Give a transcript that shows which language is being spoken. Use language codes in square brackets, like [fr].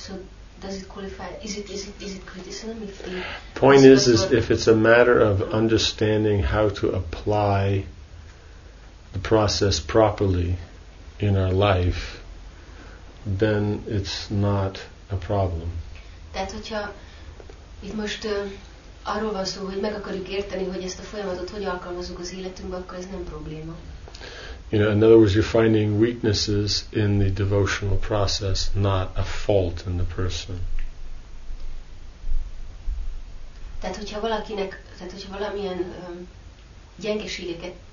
[en] So does it qualify? Is it criticism? Point is if it's a matter of understanding how to apply the process properly in our life, then it's not a problem. [hu] Tehát hogyha itt most arról van szó, hogy meg akarjuk érteni, hogy ezt a folyamatot hogy alkalmazunk az életünkbe, akkor ez nem probléma. [en] You know, in other words, you're finding weaknesses in the devotional process, not a fault in the person. [hu] Tehát, hogyha valakinek, tehát hogyha valamilyen gyengeségeket,